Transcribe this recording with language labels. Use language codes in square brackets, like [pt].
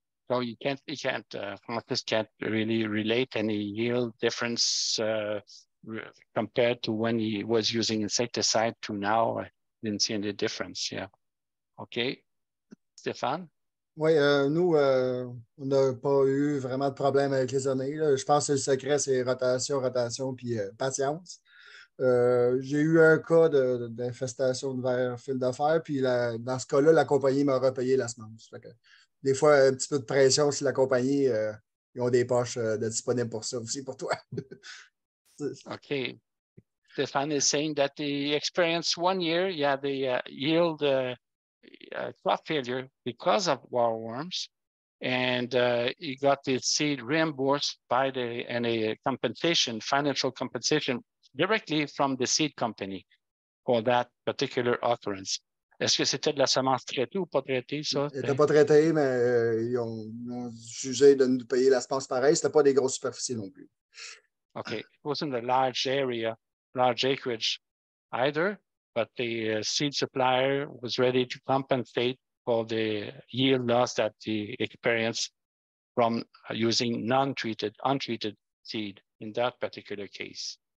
[en] So you can't, Francis can't really relate any yield difference compared to when he was using insecticide to now. I didn't see any difference. Yeah. Okay. Stéphane? [fr] Oui, nous, on n'a pas eu vraiment de problème avec les années. Là. Je pense que le secret, c'est rotation, puis patience. J'ai eu un cas d'infestation de verre fil de fer, puis dans ce cas-là, la compagnie m'a repayé la semence. Fait que, des fois, un petit peu de pression sur la compagnie, ils ont des poches de disponibles pour ça aussi, pour toi. OK. [en] Stéphane is saying that the experience 1 year, yeah, the yield crop failure because of wildworms, and he got the seed reimbursed by the and a compensation, financial compensation, directly from the seed company for that particular occurrence. [fr] Est-ce que c'était de la semence traitée ou pas traitée, ça? Il n'était pas traité, mais ils ont jugé de nous payer la semence pareille. Ce n'était pas des grosses superficies non plus. OK. [en] It wasn't a large area, large acreage either, but the seed supplier was ready to compensate for the yield loss that he experienced from using untreated seed in that particular case.